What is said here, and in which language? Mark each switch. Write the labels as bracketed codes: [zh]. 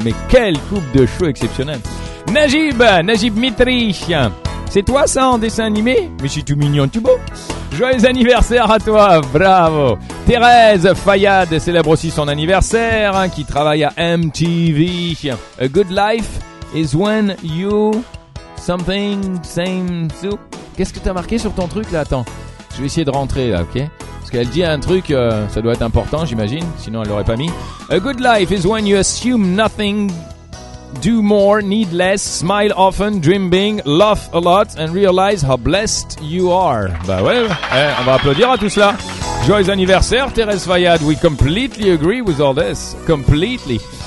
[fr] Mais quelle coupe de cheveux exceptionnelle. Najib Mitri. C'est toi ça en dessin animé? Mais si tu mignon, tu beau. Joyeux anniversaire à toi, bravo. Thérèse Fayad célèbre aussi son anniversaire, hein, qui travaille à MTV. [en] A good life is when you something same too. [fr] Qu'est-ce que t'as marqué sur ton truc là? Attends. Je vais essayer de rentrer là, ok? Parce qu'elle dit un truc, ça doit être important, j'imagine. Sinon, elle l'aurait pas mis. [en] A good life is when you assume nothing, do more, need less, smile often, dream big, laugh a lot, and realize how blessed you are. [fr] Bah ouais, eh, on va applaudir à tout cela. Joyeux anniversaire, [en] Thérèse Fayad. We completely agree with all this. Completely.